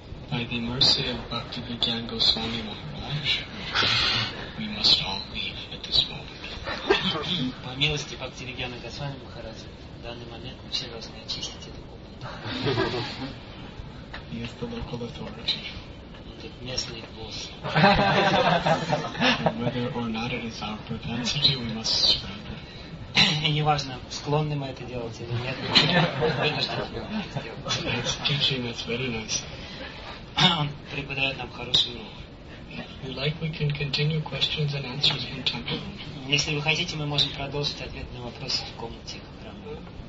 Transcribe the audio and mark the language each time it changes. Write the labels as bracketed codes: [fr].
[en] By the mercy of Bhakti Vijayan Goswami Maharaj, we must all leave at this moment. [ru] По милости Бхакти Вигьяна Госвами Махараджа, в данный момент мы все должны очистить эту комнату. [en] He is the local authority. [ru] Этот местный босс. [en] Whether or not it is our propensity, we must surrender. [ru] И неважно, склонны мы это делать или нет, мы вынуждены это сделать. [en] Teaching is very nice. [ru] Он преподает нам хороший урок. [en] You like, we can continue questions and answers in temple. [ru] Если вы хотите, мы можем продолжить ответы на вопросы в комнате храма.